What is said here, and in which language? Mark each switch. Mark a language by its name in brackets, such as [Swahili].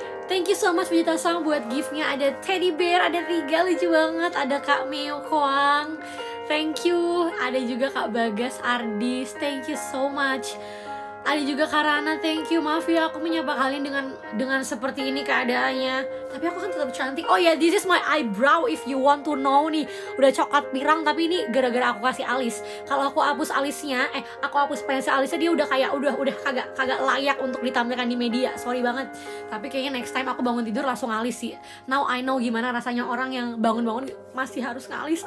[English] Thank you so much [Indonesian] Vita Sang buat gift-nya, ada teddy bear, ada Riga lucu banget, ada Kak Meo Koang. [English] Thank you, [Indonesian] ada juga [English] Kak Bagas Ardis. Thank you so much. [Indonesian] Ada juga Karana, [English] thank you, [Indonesian] maaf ya aku menyapa kalian dengan seperti ini keadaannya. Tapi aku kan tetap cantik. [English] Oh ya, yeah, this is my eyebrow if you want to know nih. [Indonesian] Udah coklat pirang tapi ini gara-gara aku kasih alis. Kalau aku hapus alisnya, aku hapus pensil alisnya, dia udah kayak udah kagak layak untuk ditampilkan di media. Sorry banget. Tapi kayaknya [English] next time [Indonesian] aku bangun tidur langsung alis sih. [English] Now I know [Indonesian] gimana rasanya orang yang bangun-bangun masih harus ngalis.